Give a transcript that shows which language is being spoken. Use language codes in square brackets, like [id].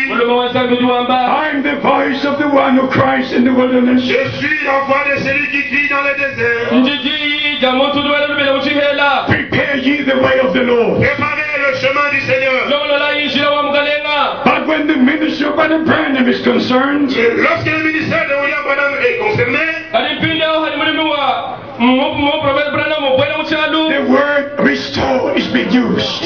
[en] I am the voice of the one who cries in the wilderness. [fr] Je suis la voix de celui qui crie dans le désert. [en] Prepare ye the way of the Lord. But when the ministry of Brother Branham is concerned, the word restore is being used.